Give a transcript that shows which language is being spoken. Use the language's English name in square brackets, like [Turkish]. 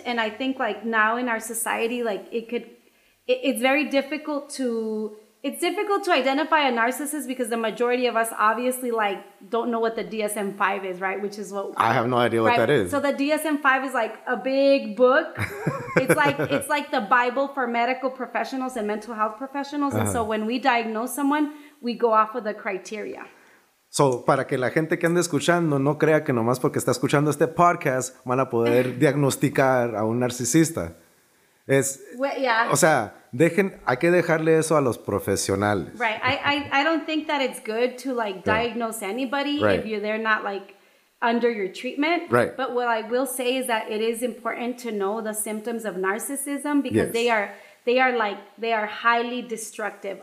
[English] And I think like now in our society, like it's difficult to identify a narcissist because the majority of us obviously like don't know what the DSM-5 is, right? Which is what I have no idea what that is. So the DSM-5 is like a big book. it's like the Bible for medical professionals and mental health professionals. Uh-huh. And so when we diagnose someone, we go off of the criteria. [Spanish] So para que la gente que anda escuchando no crea que nomás porque está escuchando este podcast van a poder diagnosticar a un narcisista. Hay que dejarle eso a los profesionales. [English] Right. I don't think that it's good to like diagnose anybody if they're not like under your treatment. Right. But what I will say is that it is important to know the symptoms of narcissism because they are highly destructive.